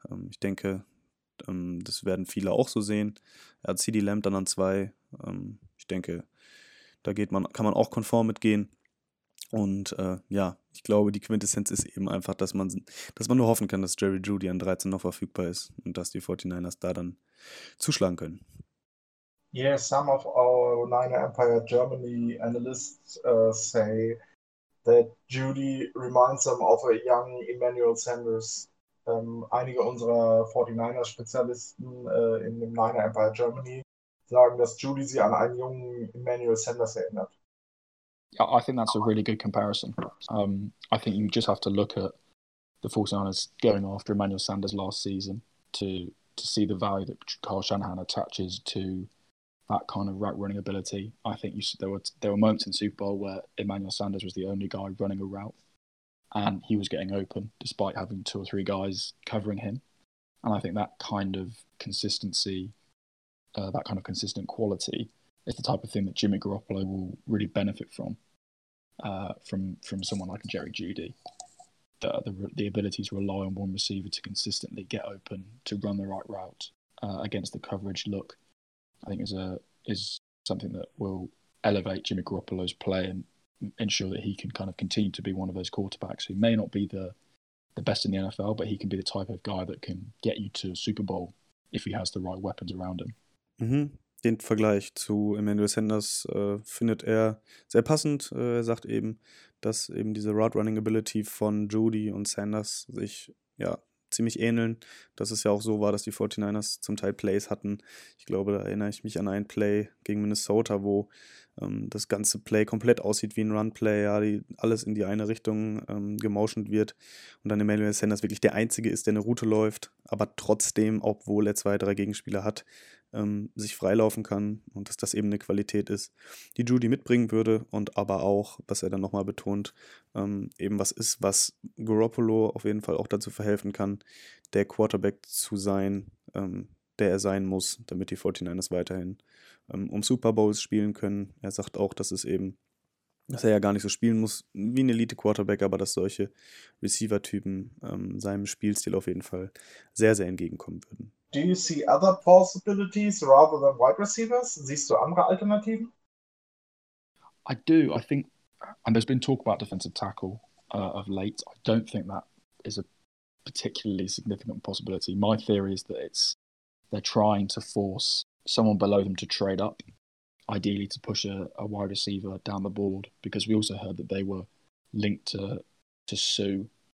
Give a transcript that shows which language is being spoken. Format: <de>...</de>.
<de>Ich denke, das werden viele auch so sehen. Er hat CeeDee Lamb dann an 2. Ich denke, da kann man auch konform mitgehen. Und ich glaube, die Quintessenz ist eben einfach, dass man nur hoffen kann, dass Jerry Jeudy an 13 noch verfügbar ist und dass die 49ers da dann zuschlagen können.</de> <en>Yes, some of our Niner Empire Germany analysts say that Jeudy reminds them of a young Emmanuel Sanders.</en> <de>Einige unserer 49ers-Spezialisten in dem Niner Empire Germany sagen, dass Jeudy sie an einen jungen Emmanuel Sanders erinnert.</de> <en>Yeah, I think that's a really good comparison. I think you just have to look at the 49ers going after Emmanuel Sanders last season to see the value that Kyle Shanahan attaches to that kind of route running ability. I think there were moments in Super Bowl where Emmanuel Sanders was the only guy running a route and he was getting open despite having two or three guys covering him. And I think that kind of consistency, that kind of consistent quality is the type of thing that Jimmy Garoppolo will really benefit from someone like Jerry Jeudy. The ability to rely on one receiver to consistently get open, to run the right route against the coverage look, I think is something that will elevate Jimmy Garoppolo's play and ensure that he can kind of continue to be one of those quarterbacks who may not be the best in the NFL, but he can be the type of guy that can get you to Super Bowl if he has the right weapons around him. Mm-hmm.</en> <de>Den Vergleich zu Emmanuel Sanders findet er sehr passend. Er sagt eben, dass eben diese Route Running Ability von Jeudy und Sanders sich ja ziemlich ähneln, dass es ja auch so war, dass die 49ers zum Teil Plays hatten. Ich glaube, da erinnere ich mich an ein Play gegen Minnesota, wo das ganze Play komplett aussieht wie ein Run-Play, ja, alles in die eine Richtung gemotioned wird und dann Emmanuel Sanders wirklich der Einzige ist, der eine Route läuft, aber trotzdem, obwohl er 2, 3 Gegenspieler hat, sich freilaufen kann und dass das eben eine Qualität ist, die Jeudy mitbringen würde und aber auch, was er dann nochmal betont, eben was ist, was Garoppolo auf jeden Fall auch dazu verhelfen kann, der Quarterback zu sein, der er sein muss, damit die 49ers weiterhin um Super Bowls spielen können. Er sagt auch, dass er ja gar nicht so spielen muss wie ein Elite-Quarterback, aber dass solche Receiver-Typen seinem Spielstil auf jeden Fall sehr, sehr entgegenkommen würden.</de> <en>Do you see other possibilities rather than wide receivers?</en> <de>Siehst du andere Alternativen?</de> <en>I do. I think, and there's been talk about defensive tackle of late. I don't think that is a particularly significant possibility. My theory is that they're trying to force someone below them to trade up, ideally to push a wide receiver down the board, because we also heard that they were linked to Sue.</en>